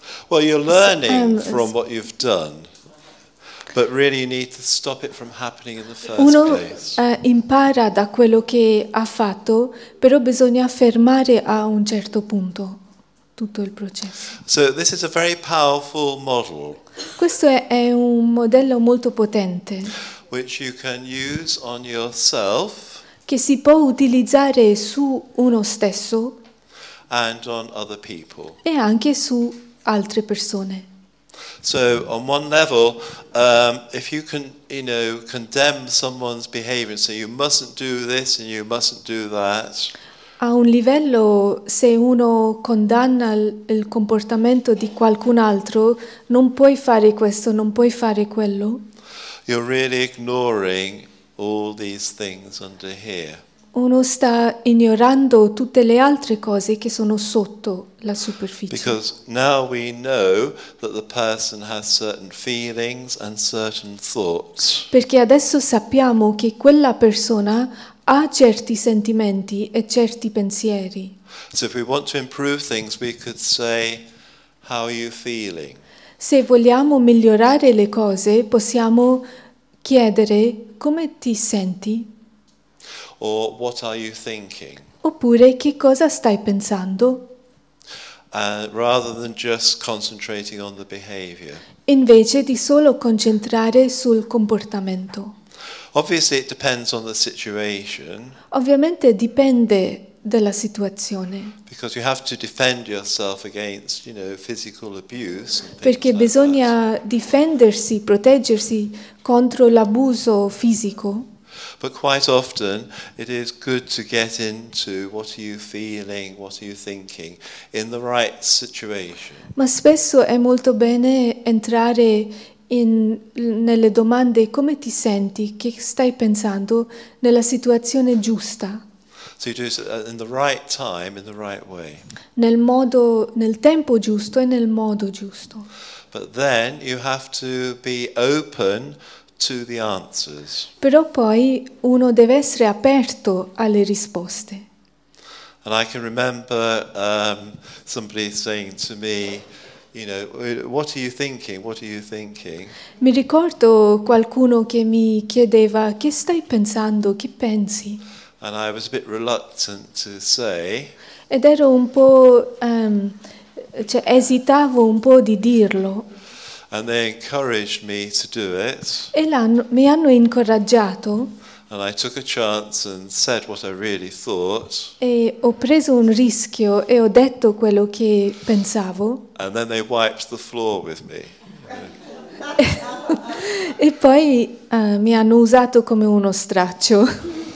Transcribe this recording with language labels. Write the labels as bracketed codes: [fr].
[en] Well, you're learning from what you've done, but really you need to stop it from happening in the first [it] uno, [en] place. [it] Impara da quello che ha fatto, però bisogna fermare a un certo punto tutto il processo. [en] So this is a very powerful model. [it] Questo è un modello molto potente. [en] Which you can use on yourself. [it] Che si può utilizzare su uno stesso. [en] And on other people. [it] E anche su altre persone. [en] So on one level, if you can, you know, condemn someone's behavior, say you mustn't do this and you mustn't do that. [it] A un livello, se uno condanna il comportamento di qualcun altro, non puoi fare questo, non puoi fare quello. [en] You're really ignoring all these things under here. [it] Uno sta ignorando tutte le altre cose che sono sotto la superficie. [en] Because now we know that the person has certain feelings and certain thoughts. [it] Perché adesso sappiamo che quella persona ha certi sentimenti e certi pensieri. [en] So if we want to improve things, we could say, how are you feeling? [it] Se vogliamo migliorare le cose, possiamo chiedere come ti senti? [en] Or what are you thinking? [it] Oppure che cosa stai pensando? [en] Rather than just concentrating on the behavior. [it] Invece di solo concentrare sul comportamento. [en] Obviously it depends on the situation. [it] Ovviamente dipende dalla situazione. [en] Because you have to defend yourself against, you know, physical abuse. [it] Perché bisogna difendersi, proteggersi contro l'abuso fisico. [en] But quite often it is good to get into what are you feeling, what are you thinking in the right situation. [it] Ma spesso è molto bene entrare in nelle domande come ti senti, che stai pensando nella situazione giusta. [en] So you do it in the right time, in the right way. [it] Nel modo, nel tempo giusto e nel modo giusto. [en] But then you have to be open to the answers. [it] Però poi uno deve essere aperto alle risposte. [en] And I can remember somebody saying to me, you know, what are you thinking? What are you thinking? [it] Mi ricordo qualcuno che mi chiedeva che stai pensando, che pensi? [en] And I was a bit reluctant to say. [it] Ed ero un po' cioè esitavo un po' di dirlo. [en] And they encouraged me to do it. [it] E mi hanno incoraggiato. [en] And I took a chance and said what I really thought. [it] E ho preso un rischio e ho detto quello che pensavo. [en] And then they wiped the floor with me. [it] E poi mi hanno usato come uno straccio.